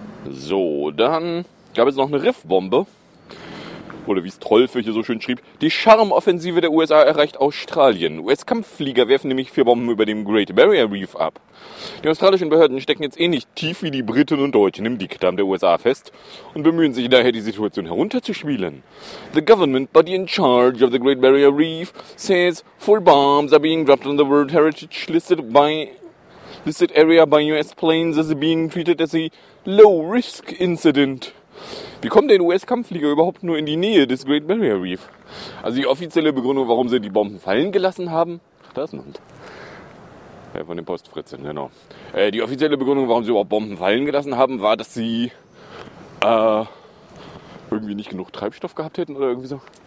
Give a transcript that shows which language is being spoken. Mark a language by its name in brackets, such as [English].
[German] So, dann gab es noch eine Riffbombe. Oder wie es Trollfe hier so schön schrieb. Die Charmoffensive der USA erreicht Australien. US-Kampfflieger werfen nämlich 4 Bomben über dem Great Barrier Reef ab. Die australischen Behörden stecken jetzt ähnlich tief wie die Briten und Deutschen im Dickdarm der USA fest und bemühen sich daher, die Situation herunterzuspielen. [English] The government body in charge of the Great Barrier Reef says 4 bombs are being dropped on the World Heritage listed area by US planes as being treated as a low-risk incident. [German] Wie kommen denn US-Kampfflieger überhaupt nur in die Nähe des Great Barrier Reef? Also die offizielle Begründung, warum sie die Bomben fallen gelassen haben. Ach, da ist ein Hund. Ja, von den Postfritzen, genau. Die offizielle Begründung, warum sie überhaupt Bomben fallen gelassen haben, war, dass sie irgendwie nicht genug Treibstoff gehabt hätten oder irgendwie so.